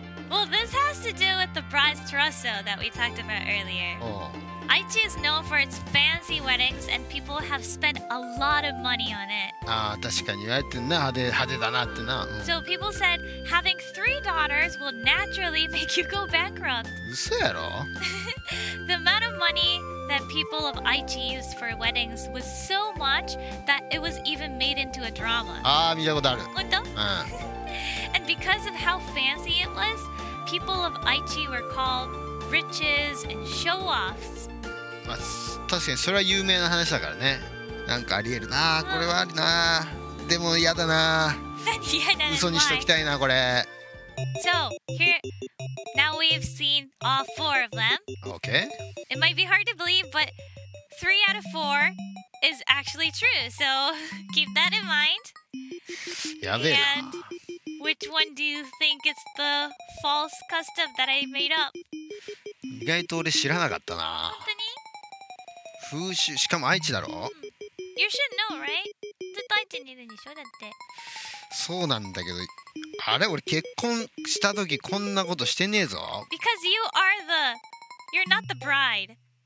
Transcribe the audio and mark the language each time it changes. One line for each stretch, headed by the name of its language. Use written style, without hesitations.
English: Well, this has to do with the bride's trousseau that we talked about earlier. Aichi is known for its fancy weddings, and people have spent a lot of money on it.
Japanese: Ah, 確かに言われてんな、派手、派手だなってな。
English: So people said having three daughters will naturally make you go bankrupt.
Japanese: 嘘やろ。
English: The amount of money that people of Aichi used for weddings was so much that it was even made into a drama.
Japanese: Ah, 見たことある。本当？うん。
English: And because of how fancy it was, people of Aichi were called riches and show-offs.
Japanese: まあ、確かにそれは有名な話だからね。なんかありえるな、これはありな。でも嫌だな。嘘にしときたいな、これ。
English: So, here, now we've seen all four of them. Okay. It might be hard to believe, but three out of four is actually true. So, keep that in mind.
Japanese: やべえな。
English: And which one do you think is the false custom that I made up?
Japanese: 意外と俺知らなかったな。本当に？風習、しかも愛知だろ。
English: You should know, right?
Japanese: ずっと愛知にいるんでしょ、だって。そうなんだけど、あれ俺結婚した時こんなことしてねえぞ。
English: Because you are the... You're not the bride.